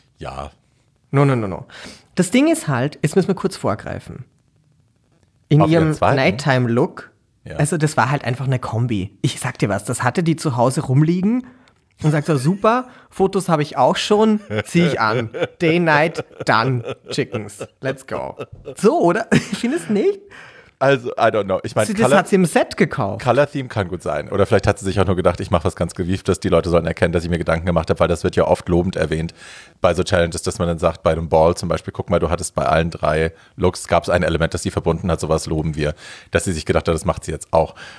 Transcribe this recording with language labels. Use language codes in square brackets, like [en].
[de] Ja. [en] No. [de] Das Ding ist halt, jetzt müssen wir kurz vorgreifen. In auf ihrem Nighttime-Look, ja. Also das war halt einfach eine Kombi. Ich sag dir was, das hatte die zu Hause rumliegen und sagt so, super, Fotos habe ich auch schon, zieh ich an. [en] Day, night, done, chickens, let's go. [de] So, oder? Ich finde es nicht. Also, [en] I don't know. [de] Ich meine, das hat sie im Set gekauft. Color-Theme kann gut sein. Oder vielleicht hat sie sich auch nur gedacht, ich mache was ganz Gewieftes, die Leute sollen erkennen, dass ich mir Gedanken gemacht habe, weil das wird ja oft lobend erwähnt bei so Challenges, dass man dann sagt, bei einem Ball zum Beispiel, guck mal, du hattest bei allen drei Looks, gab es ein Element, das sie verbunden hat, sowas loben wir, dass sie sich gedacht hat, das macht sie jetzt auch.